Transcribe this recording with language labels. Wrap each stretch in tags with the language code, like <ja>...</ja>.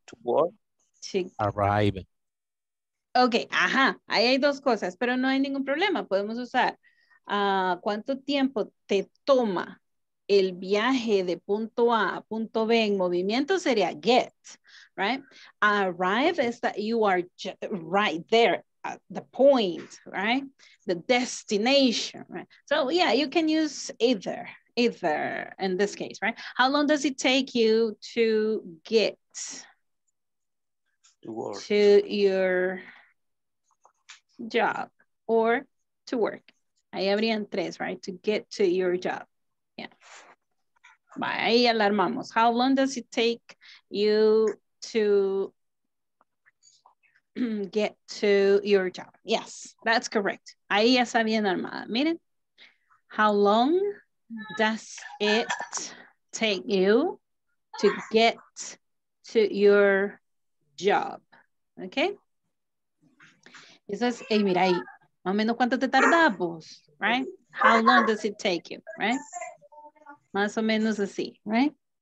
<en>to work to arrive.</en> <es>Okay, ajá, ahí hay dos cosas, pero no hay ningún problema. Podemos usar cuánto tiempo te toma el viaje de punto A a punto B en movimiento sería get, right?</es> <en>Arrive is that you are right there at the point, right? The destination, right? So yeah, you can use either. Either in this case, right? How long does it take you to get to your job or to work?</en> <es>Ahí habrían tres, right?</es> <en>To get to your job.</en> <es>Yeah. Ahí alarmamos.</es> <en>How long does it take you to get to your job? Yes, that's correct.</en> <es>Ahí ya está bien armada. Miren.</es> <en>How long does it take you to get to your job? Okay.</en> <es>Eso es, hey, mira ahí, más o menos cuánto te tardamos, right?</es> <en>How long does it take you, right?</en> <es>Más o menos así,</es> <en>right?</en>